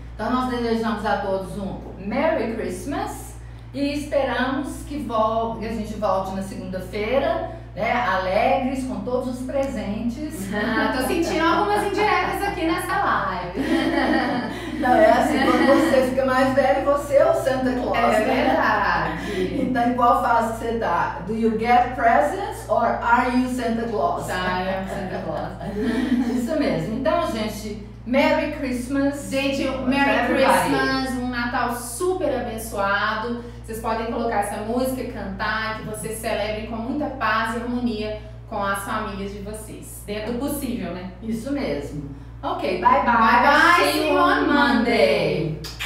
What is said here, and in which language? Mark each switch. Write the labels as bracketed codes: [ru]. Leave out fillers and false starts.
[pt] Então nós desejamos a todos um Merry Christmas e esperamos que a gente volte na segunda-feira né, alegres com todos os presentes. Ah, tô sentindo algumas indiretas aqui nessa live. Não, é assim, quando você fica mais velho, você é o Santa Claus. É verdade. Né? Então, em qual fase você tá? [en] Do you get presents or are you Santa Claus? Tá, I am Santa Claus. [pt] Isso mesmo. Então, gente, Merry Christmas. Gente, Merry Christmas, um Natal super abençoado. Vocês podem colocar essa música, cantar, que vocês celebrem com muita paz e harmonia com as famílias de vocês. Dentro do possível, né? Isso mesmo. Ok, bye bye. [en] Bye bye, see you on Monday.